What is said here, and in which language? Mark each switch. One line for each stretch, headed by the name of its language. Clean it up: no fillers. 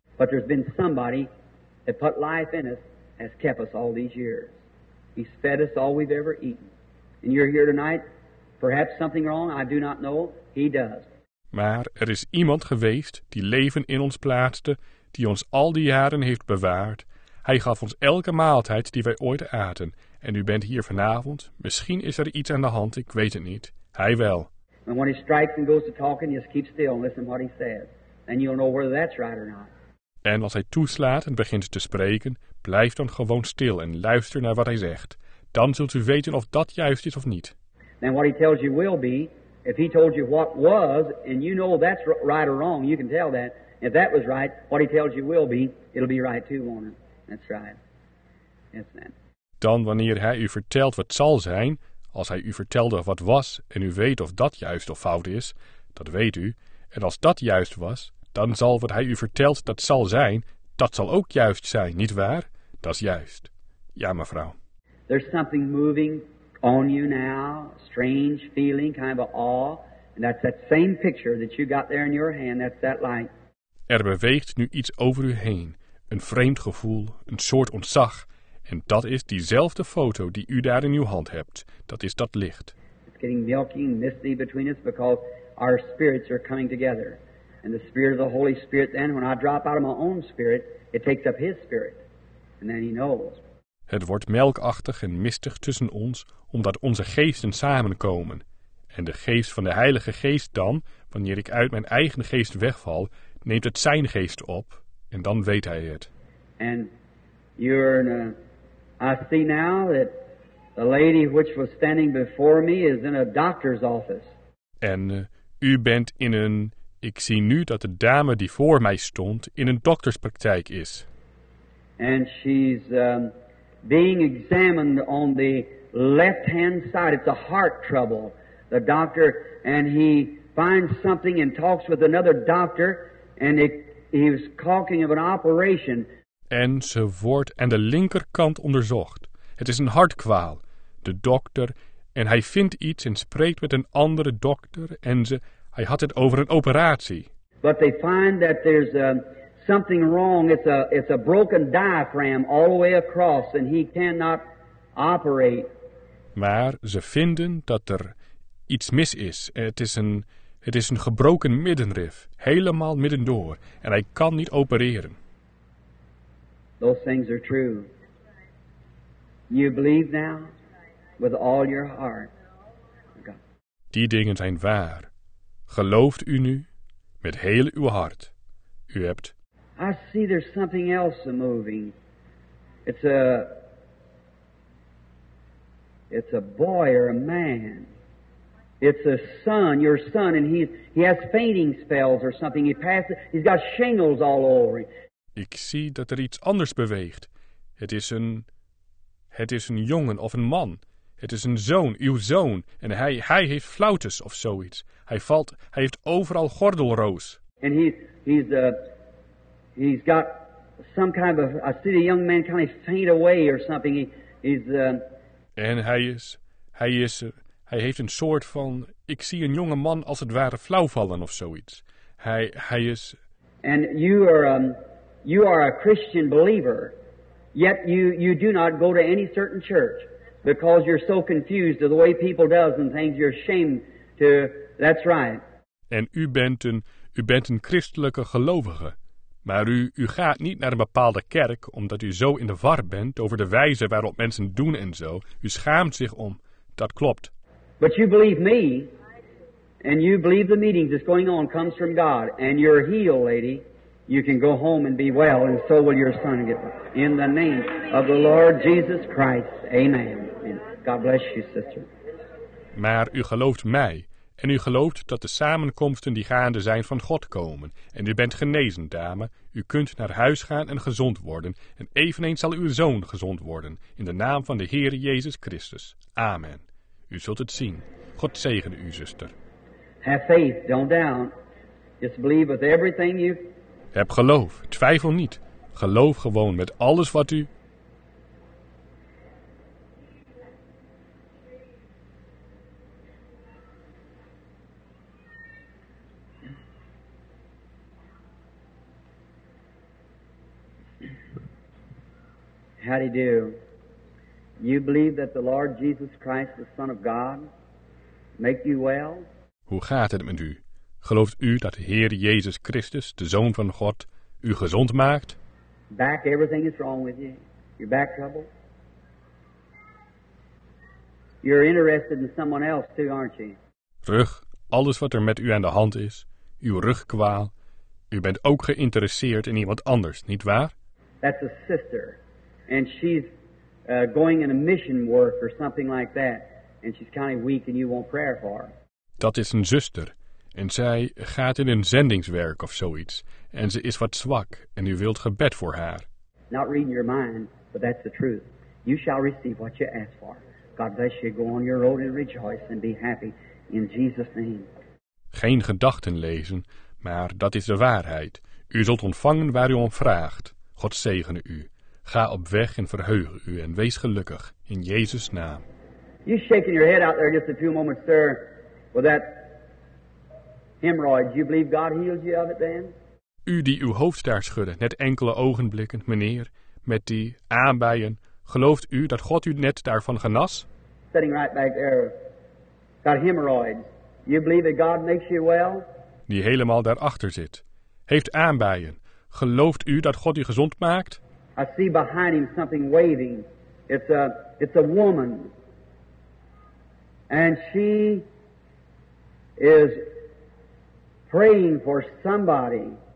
English: But there's been somebody that put life in us, has kept us all these years. He's fed us all we've ever eaten. And you're here tonight, perhaps something wrong, I do not know, he does.
Dutch: Maar er is iemand geweest die leven in ons plaatste, die ons al die jaren heeft bewaard. Hij gaf ons elke maaltijd die wij ooit aten. En u bent hier vanavond, misschien is er iets aan de hand, ik weet het niet. Hij wel.
English: And when he strikes and goes to talking, just keep still and listen what he says. And you'll know whether that's right or not.
Dutch: En als hij toeslaat en begint te spreken, blijf dan gewoon stil en luister naar wat hij zegt. Dan zult u weten of dat juist is of niet.
English: Then what he tells you will be, if he told you what was, and you know that's right or wrong, you can tell that. If that was right, what he tells you will be, it'll be right too, won't it? That's right. Yes, ma'am.
Dutch: Dan wanneer hij u vertelt wat zal zijn, als hij u vertelde wat was en u weet of dat juist of fout is, dat weet u, en als dat juist was, dan zal wat hij u vertelt dat zal zijn, dat zal ook juist zijn, niet waar? Dat is juist. Ja, mevrouw.
English: There's something moving on you now, strange feeling, kind of awe, and that's that same picture that you got there in your hand, that's that light.
Dutch: Er beweegt nu iets over u heen, een vreemd gevoel, een soort ontzag. En dat is diezelfde foto die u daar in uw hand hebt. Dat is dat licht.
English: It's getting milky and misty between us because our spirits are coming together. And the spirit of the Holy Spirit then, when I drop out of my own spirit, it takes up his spirit. And then he knows.
Dutch: Het wordt melkachtig en mistig tussen ons, omdat onze geesten samenkomen. En de geest van de Heilige Geest dan, wanneer ik uit mijn eigen geest wegval, neemt het zijn geest op. En dan weet hij het.
English: And you're in a... I see now that the lady which was standing before me is in a doctor's office.
Dutch: En u bent in een... Ik zie nu dat de dame die voor mij stond in een dokterspraktijk is.
English: And she's being examined on the left-hand side. It's a heart trouble. The doctor, and he finds something and talks with another doctor. And he was talking of an operation.
Dutch: En ze wordt aan de linkerkant onderzocht. Het is een hartkwaal. De dokter, en hij vindt iets en spreekt met een andere dokter. En ze, hij had het over een operatie.
English: But they find that there's something wrong. It's a broken diaphragm all the way across and he cannot operate.
Dutch: Maar ze vinden dat er iets mis is. Het is een gebroken middenrif, helemaal middendoor. En hij kan niet opereren.
English: Those things are true. You believe now with all your heart.
Dutch: God. Die dingen zijn waar. Gelooft u nu met heel uw hart. U hebt.
English: I see there's something else moving. It's a boy or a man. It's a son, your son, and he has fainting spells or something. He's got shingles all over him.
Dutch: Ik zie dat er iets anders beweegt. Het is een jongen of een man. Het is een zoon, uw zoon. En hij heeft flautes of zoiets. Hij heeft overal gordelroos.
English: And he's got some kind of a, I see the young man kind of faint away or something.
Dutch: En hij heeft een soort van, ik zie een jonge man als het ware flauw vallen of zoiets. Hij is.
English: And you are you are a Christian believer, yet you do not go to any certain church because you're so confused of the way people does and things. You're ashamed to. That's right.
Dutch: En u bent een christelijke gelovige, maar u gaat niet naar een bepaalde kerk omdat u zo in de war bent over de wijze waarop mensen doen en zo. U schaamt zich om. Dat klopt.
English: But you believe me, and you believe the meeting that's going on comes from God, and you're healed, lady, you can go home and be well, and so will your son get well. In the name of the Lord Jesus Christ, amen. God bless you, sister.
Dutch: Maar u gelooft mij, en u gelooft dat de samenkomsten die gaande zijn van God komen, en u bent genezen, dame. U kunt naar huis gaan en gezond worden, en eveneens zal uw zoon gezond worden, in de naam van de Heer Jezus Christus. Amen. U zult het zien. God zegene u, zuster.
English: Have faith, don't doubt. Just believe with everything you...
Dutch: Heb geloof, twijfel niet. Geloof gewoon met alles wat u...
English: How do you do? You believe that the Lord Jesus Christ, the Son of God, make you well?
Dutch: Hoe gaat het met u? Gelooft u dat de Heer Jezus Christus, de Zoon van God, u gezond maakt?
English: Back, everything is wrong with you. Your back trouble. You're interested in someone else too, aren't you?
Dutch: Rug, alles wat er met u aan de hand is, uw rugkwaal. U bent ook geïnteresseerd in iemand anders, niet waar?
English: That's a sister. And she's going in a mission work or something like that. And she's kind of weak and you want prayer for her.
Dutch: Dat is een zuster. En zij gaat in een zendingswerk of zoiets. En ze is wat zwak en u wilt gebed voor haar.
English: Not reading your mind, but that's the truth. You shall receive what you ask for. God bless you. Go on your road and rejoice and be happy in Jesus' name.
Dutch: Geen gedachten lezen, maar dat is de waarheid. U zult ontvangen waar u om vraagt. God zegene u. Ga op weg en verheug u en wees gelukkig in Jezus' naam.
English: You shaking your head out there just a few moments, sir, with that hemorrhoid. Do you believe God heals you of it then?
Dutch: U die uw hoofd daar schudde, net enkele ogenblikken, meneer, met die aanbijen, gelooft u dat God u net daarvan genas?
English: Sitting right back there, got hemorrhoids. You believe that God makes you well?
Dutch: Die helemaal daarachter zit, heeft aanbijen. Gelooft u dat God u gezond maakt?
English: I see behind him something waving. It's a woman. And she is praying for somebody.